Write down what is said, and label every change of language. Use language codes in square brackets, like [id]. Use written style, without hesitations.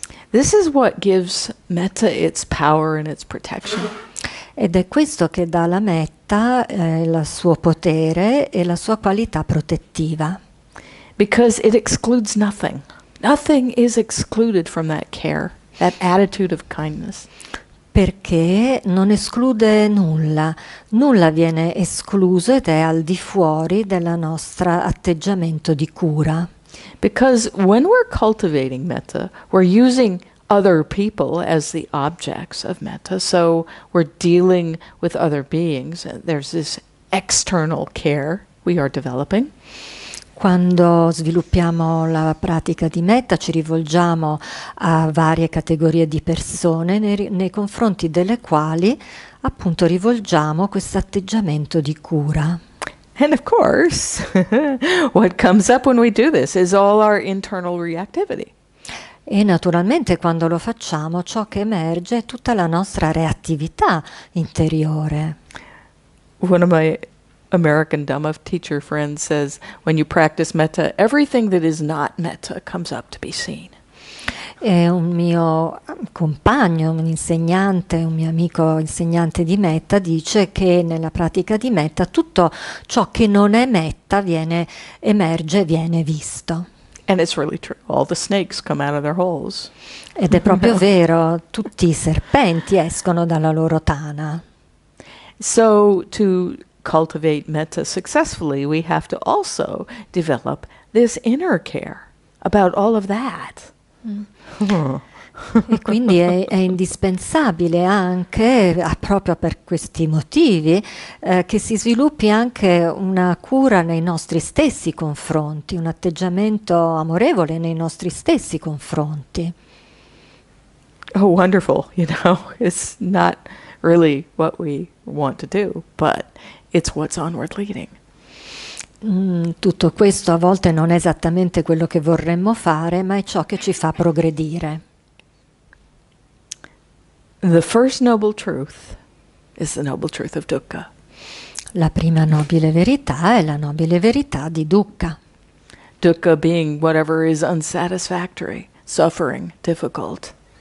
[en] This is what gives metta its power and its protection. [it] Ed è questo che dà alla metta il suo potere e la sua qualità protettiva. [en] Because it excludes nothing. Nothing is excluded from that care, that attitude of kindness. [it] Perché non esclude nulla. Nulla viene escluso ed è al di fuori della nostra atteggiamento di cura. [en] Because when we're cultivating metta, we're using other people as the objects of metta, so we're dealing with other beings. There's this external care we are developing. [it] Quando sviluppiamo la pratica di metta ci rivolgiamo a varie categorie di persone nei confronti delle quali appunto rivolgiamo questo atteggiamento di cura. [en] And of course, what comes up when we do this is all our internal reactivity. [it] E naturalmente quando lo facciamo ciò che emerge è tutta la nostra reattività interiore. [en] One of my American Dhamma teacher friend says, when you practice metta, everything that is not metta comes up to be seen. [it] E un mio compagno, un insegnante, un mio amico insegnante di metta dice che nella pratica di metta tutto ciò che non è metta emerge, viene visto. [en] And it's really true. All the snakes come out of their holes. [it] Ed è proprio vero, tutti i serpenti escono dalla loro tana. [en] So to cultivate metta successfully, we have to also develop this inner care about all of that. [it] E quindi è indispensabile anche, proprio per questi motivi, che si sviluppi anche una cura nei nostri stessi confronti, un atteggiamento amorevole nei nostri stessi confronti. [en] Oh, wonderful, you know, it's not really what we want to do, but it's what's onward leading. [it] Tutto questo a volte non è esattamente quello che vorremmo fare, ma è ciò che ci fa progredire. [en] The first noble truth is the noble truth of dukkha. [it] La prima nobile verità è la nobile verità di dukkha. [en] Dukkha being whatever is unsatisfactory, suffering, difficult.